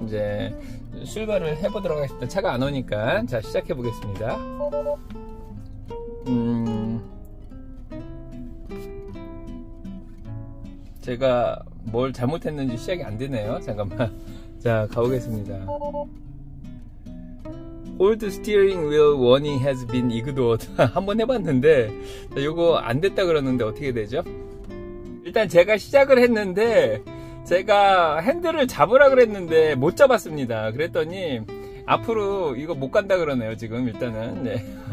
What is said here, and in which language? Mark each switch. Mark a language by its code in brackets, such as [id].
[ko] 이제 출발을 해보도록 하겠습니다. 차가 안 오니까 자 시작해 보겠습니다. 제가 뭘 잘못했는지 시작이 안 되네요. 잠깐만. 자, 가보겠습니다. [en] Hold steering wheel warning has been ignored. [ko] 한번 해봤는데, 자, 요거 안 됐다 그러는데 어떻게 되죠? 일단 제가 시작을 했는데, 제가 핸들을 잡으라 그랬는데 못 잡았습니다. 그랬더니, 앞으로 이거 못 간다 그러네요, 지금 일단은. 네.